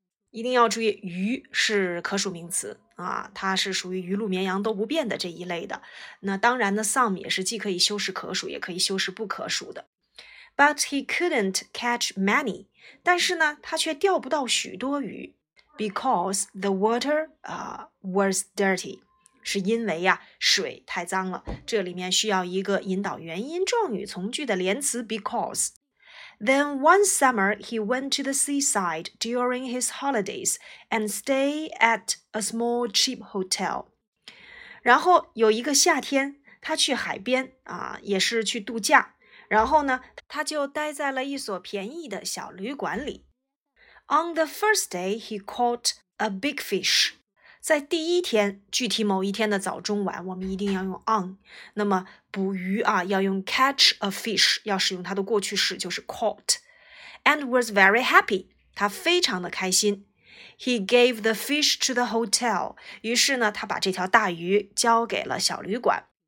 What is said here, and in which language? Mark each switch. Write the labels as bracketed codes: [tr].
[zh] 一定要注意，鱼是可数名词啊，它是属于鱼鹿绵羊都不变的这一类的。那当然呢 some 也是既可以修饰可数也可以修饰不可数的。 [en] But he couldn't catch many, [zh] 但是呢他却钓不到许多鱼 [en] because the water, was dirty. [zh] 是因为呀，水太脏了。这里面需要一个引导原因状语从句的连词 because。 [en] Then one summer he went to the seaside during his holidays and stay at a small cheap hotel. [zh] 然后有一个夏天，他去海边啊，也是去度假。然后呢，他就待在了一所便宜的小旅馆里。 [en] On the first day he caught a big fish. [zh] 在第一天，具体某一天的早中晚，我们一定要用 on。那么捕鱼啊，要用 [en] catch a fish， [zh] 要使用它的过去式，就是 caught。 [en] And was very happy， [zh] 他非常的开心。 [en] He gave the fish to the hotel， [zh] 于是呢，他把这条大鱼交给了小旅馆。